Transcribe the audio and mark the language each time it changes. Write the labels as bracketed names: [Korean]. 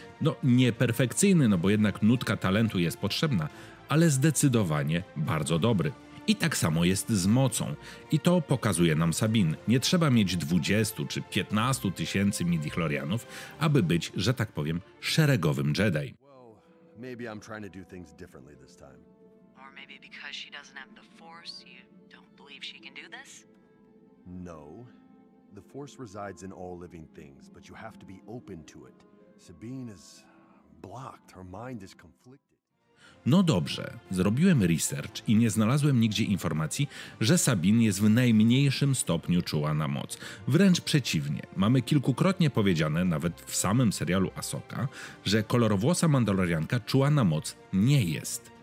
[Polish] No nie perfekcyjny, no bo jednak nutka talentu jest potrzebna, ale zdecydowanie bardzo dobry. I tak samo jest z mocą. I to pokazuje nam Sabine. Nie trzeba mieć 20 czy 15 tysięcy midichlorianów, aby być, że tak powiem, szeregowym Jedi. [English] Well, maybe I'm trying to do things differently this time. Or maybe because she doesn't have the force, you don't believe she can do this? No. The force resides in all living things, but you have to be open to it. Sabine is blocked. Her mind is conflicted. [Polish] No dobrze, zrobiłem research i nie znalazłem nigdzie informacji, że Sabine jest w najmniejszym stopniu czuła na moc. Wręcz przeciwnie, mamy kilkukrotnie powiedziane, nawet w samym serialu Ahsoka, że kolorowłosa Mandalorianka czuła na moc nie jest.